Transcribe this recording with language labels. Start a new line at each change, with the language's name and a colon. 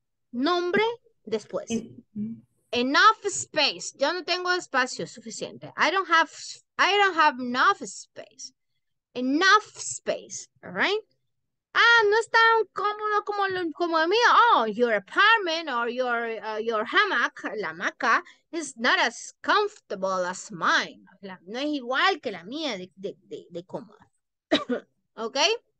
Spanish: Nombre, después.
English: Enough space.
Spanish: Yo no tengo espacio suficiente.
English: I don't have enough space. Enough space, all right?
Spanish: Ah, no es tan cómodo como el mío.
English: Oh, your apartment or your hammock,
Spanish: la hamaca,
English: is not as comfortable as mine.
Spanish: No es igual que la mía de cómoda. Okay?